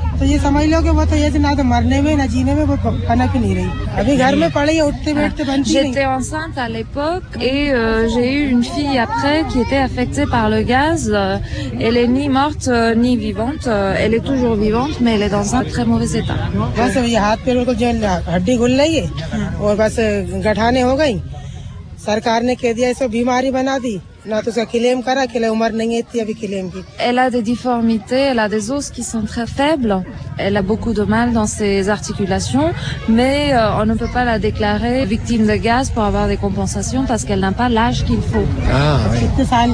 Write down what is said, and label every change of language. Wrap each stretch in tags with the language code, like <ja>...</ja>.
<hi>तो ये समझ लो कि वो तो ये ना तो मरने में ना जीने में वो कनक नहीं रही अभी घर में पड़े हैं उठते बैठते बनती नहीं</hi> <fr>j'étais enceinte à l'époque et j'ai eu une fille après qui était affectée par le gaz elle est ni morte ni vivante elle est toujours vivante mais elle est dans un très mauvais état</fr> <hi>बस ये हाथ पैरों को जो हड्डी घुल रही है और बस गठाने हो गई सरकार ने कह दिया इसे बीमारी बना दी ना तो क्लेम करा कि उम्र नहीं है अभी क्लेम की</hi> <fr>elle a des difformités elle a des os qui sont très faibles elle a beaucoup de mal dans ses articulations mais on ne peut pas la déclarer victime de gaz pour avoir des compensations parce qu'elle n'a pas l'âge qu'il faut</fr>